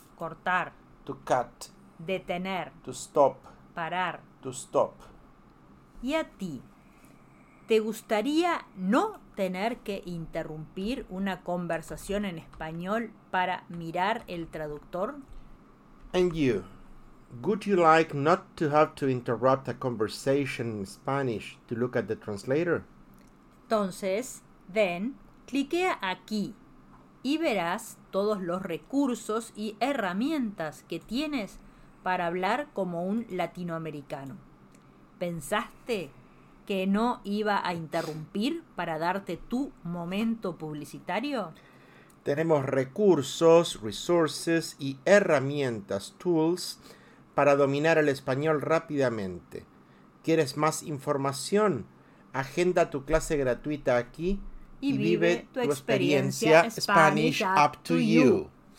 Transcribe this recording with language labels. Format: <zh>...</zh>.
<es>Cortar.</es> <en>To cut.</en> <es>Detener.</es> <en>To stop.</en> <es>Parar.</es> <en>To stop.</en> <es>¿Y a ti? ¿Te gustaría no tener que interrumpir una conversación en español para mirar el traductor?</es> <en>And you, would you like not to have to interrupt a conversation in Spanish to look at the translator?</en> <es>Entonces, then, cliquea aquí y verás todos los recursos y herramientas que tienes para hablar como un latinoamericano. ¿Pensaste que no iba a interrumpir para darte tu momento publicitario? Tenemos recursos, resources y herramientas, tools, para dominar el español rápidamente. ¿Quieres más información? Agenda tu clase gratuita aquí y vive tu experiencia Spanish up to you.</es>